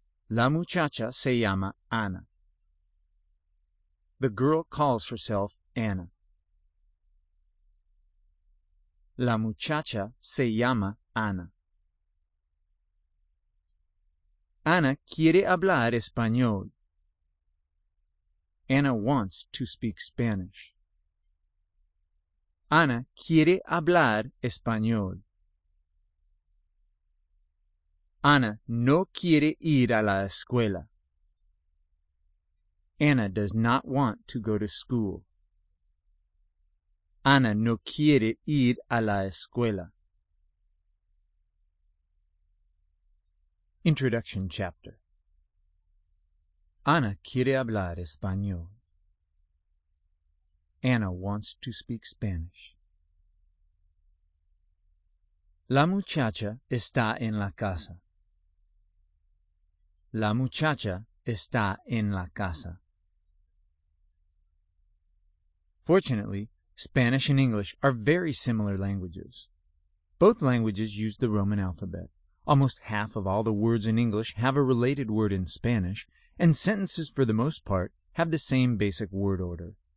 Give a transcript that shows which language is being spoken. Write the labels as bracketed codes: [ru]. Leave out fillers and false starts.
[es] La muchacha se llama Ana. [en] The girl calls herself Anna. [es] La muchacha se llama Ana. Ana quiere hablar español. [en] Anna wants to speak Spanish. [es] Ana quiere hablar español. Ana no quiere ir a la escuela. [en] Anna does not want to go to school. [es] Ana no quiere ir a la escuela. [en] Introduction chapter. [es] Ana quiere hablar español. [en] Anna wants to speak Spanish. [es] La muchacha está en la casa. La muchacha está en la casa. [en] Fortunately, Spanish and English are very similar languages. Both languages use the Roman alphabet. Almost half of all the words in English have a related word in Spanish, and sentences, for the most part, have the same basic word order.